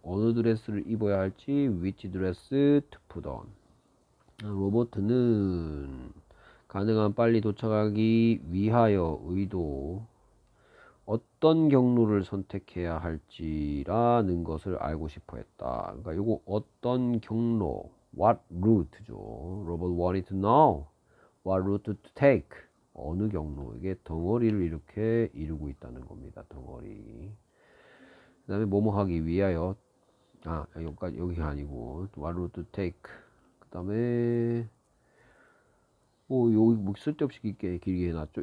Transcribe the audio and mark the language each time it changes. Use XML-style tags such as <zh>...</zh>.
<ko>어느 드레스를 입어야 할지,</ko> <en>which dress to put on.</en> <ko>로버트는 가능한 빨리 도착하기 위하여 의도 어떤 경로를 선택해야 할지라는 것을 알고 싶어 했다. 그러니까 이거 어떤 경로,</ko> <en>what route</en> <ko>죠.</ko> <en>로버트 wanted to know what route to take.</en> <ko>어느 경로, 이게 덩어리를 이렇게 이루고 있다는 겁니다. 덩어리. 그 다음에 뭐뭐 하기 위하여. 아, 여기까지, 여기 아니고.</ko> <en>What route to take.</en> <ko>그 다음에, 오, 여기 뭐 쓸데없이 길게 해놨죠.</ko>